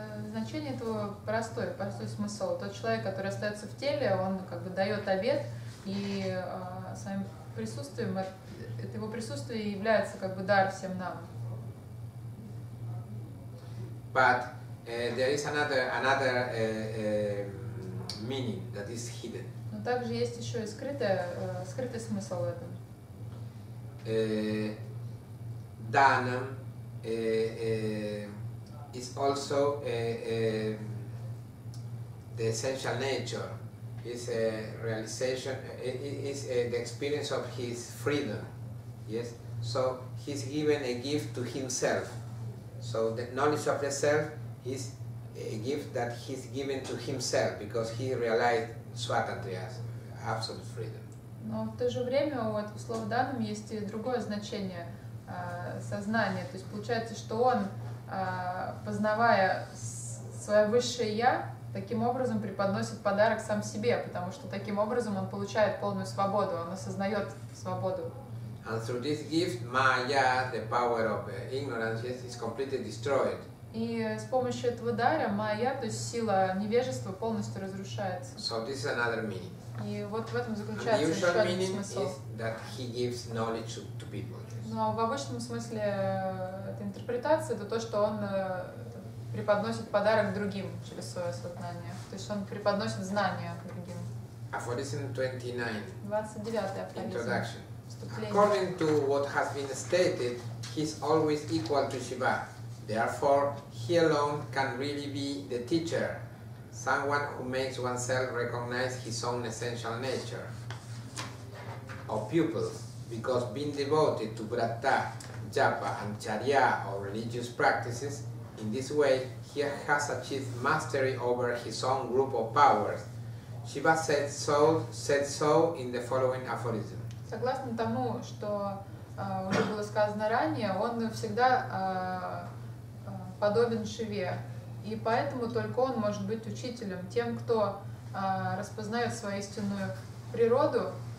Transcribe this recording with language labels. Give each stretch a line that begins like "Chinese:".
Russian: Значение этого простой смысл. Тот человек, который остается в теле, он как бы дает обет и своим присутствием, это его присутствие является как бы дар всем нам.
English: But there is another meaning that is hidden.
Russian: Но также есть еще и скрытый смысл в этом.
English: Данам is also the essential nature. It's a realization. It's the experience of his freedom. Yes. So he's given a gift to himself. So the knowledge of the self is a gift that he's given to himself because he realized svatantriya, absolute freedom.
Russian: Но в то же время у этого слова данным есть и другое значение сознание. То есть получается, что он, познавая свое высшее я, таким образом преподносит подарок сам себе, потому что таким образом он получает полную свободу, он осознает свободу.
English: And through this gift, Maya, the power of ignorance, is completely destroyed.
Russian: И с помощью этого дара Майя, то есть сила невежества, полностью разрушается.
English: So this is another meaning.
Russian: И вот в этом заключается еще один смысл.
English: And the usual meaning is that he gives knowledge to people.
Russian: Но в обычном смысле эта интерпретация — это то, что он преподносит подарок другим через свое сознание. То есть он преподносит знания другим.
English: Aphorism 29. 29 aphorism. According to what has been stated, he's always equal to Shiva. Therefore, he alone can really be the teacher, someone who makes oneself recognize his own essential nature of pupils, because being devoted to Vrata, Japa, and Charya, or religious practices, in this way, he has achieved mastery over his own group of powers. Shiva said so in the following aphorism.
Russian: Согласно тому, что уже было сказано ранее, он всегда подобен Шиве, и поэтому только он может быть учителем, тем, кто распознает свою истинную природу